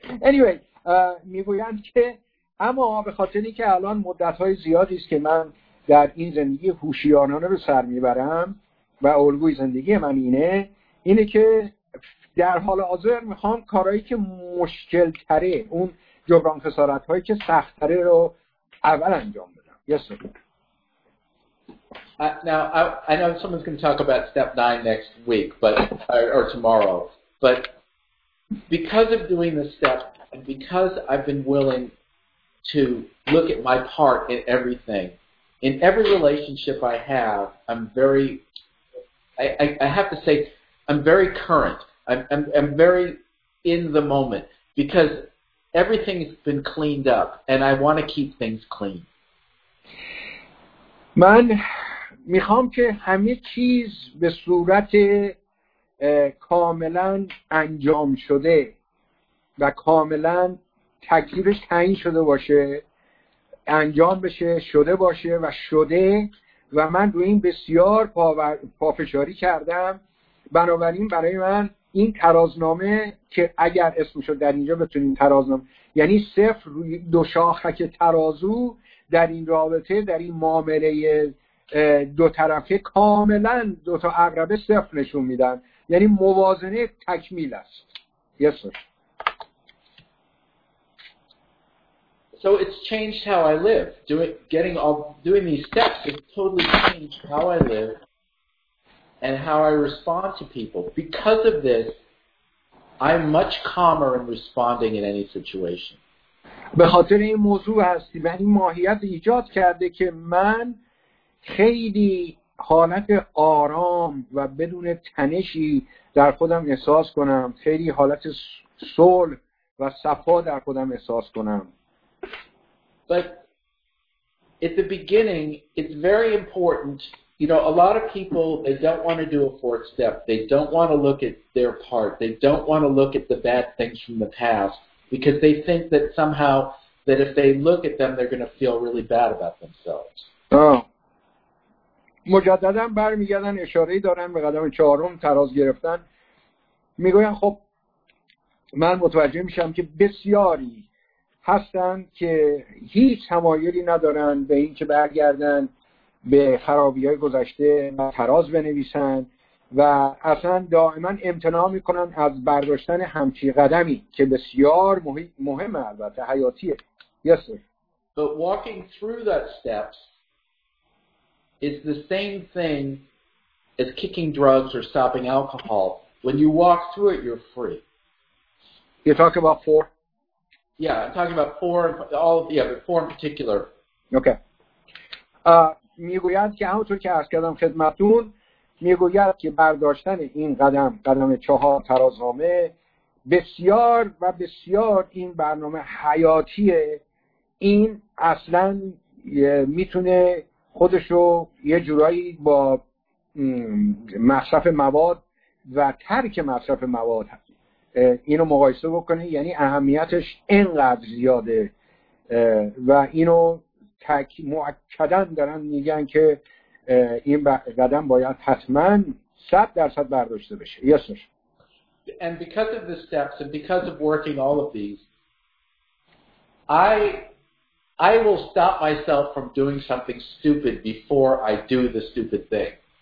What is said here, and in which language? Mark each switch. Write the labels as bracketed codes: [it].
[en] Anyway, [fa] میگویند که اما به خاطر اینکه الان مدت‌های زیادی است که من در این زندگی هوشیارانه رو سر میبرم و الگوی زندگی من اینه که در حال حاضر میخوام کارهایی که مشکل تره اون جبران خسارت هایی که سخت تره رو اول انجام بدم. [en] Yes, sir. Now I know someone's going to talk about step 9 next week or tomorrow, but because of doing this step, and because I've been willing to look at my part in everything, in every relationship I have, I'm very current. I'm very in the moment because everything has been cleaned up, and I want to keep things clean. [fa] من میخوام که همه چیز به صورت کاملا انجام شده و کاملا تکلیفش تعیین شده باشه انجام بشه شده باشه و شده و من روی این بسیار پافشاری کردم بنابراین برای من این ترازنامه که اگر اسمشو در اینجا بتونیم ترازنامه یعنی صفر روی دو شاخک ترازو در این رابطه در این معامله دو طرفه کاملا دو تا عقربه صفر نشون میدن یعنی موازنه تکمیل است. [en] Yes, sir. So it's changed how I live. Doing these steps has totally changed how I live and how I respond to people. Because of this, I'm much calmer in responding in any situation. [fa] به خاطر این موضوع هستی و این ماهیت ایجاد کرده که من خیلی حالت آرام و بدون تنشی در خودم احساس کنم خیلی حالت صلح و صفا در خودم احساس کنم. [en] But at the beginning it's very important You know, a lot of people, they don't want to do a fourth step. They don't want to look at their part. They don't want to look at the bad things from the past because they think that somehow that if they look at them, they're going to feel really bad about themselves. Oh. [fa] مجدداً برمیگردن اشاره‌ای دارن به قدم چهارم تراز گرفتن میگوین خب من متوجه میشم که بسیاری هستن که هیچ تمایلی ندارن به این که برگردن به خرابی‌های گذشته تراز بنویسن و اصلا دائما امتناع میکنن از برداشتن همچی قدمی که بسیار مهمه البته حیاتیه [en] yes sir but walking through that steps It's the same thing as kicking drugs or stopping alcohol. When you walk through it, you're free. You're talking about four? Yeah, I'm talking about four, all of the, yeah, but four in particular. Okay. [fa] میگوید که همونطور که عرض کردم خدمتون میگوید که برداشتن این قدم قدم چهار ترازنامه بسیار و بسیار این برنامه حیاتیه این اصلا میتونه خودشو یه جورایی با مصرف مواد و ترک مصرف مواد اینو مقایسه بکنه یعنی اهمیتش اینقدر زیاده و اینو مؤکدن دارن میگن که این قدم باید حتما 100% برداشته بشه [en] yes sir and because of the steps and because of working all of these I will stop myself from doing something stupid before I do the stupid thing.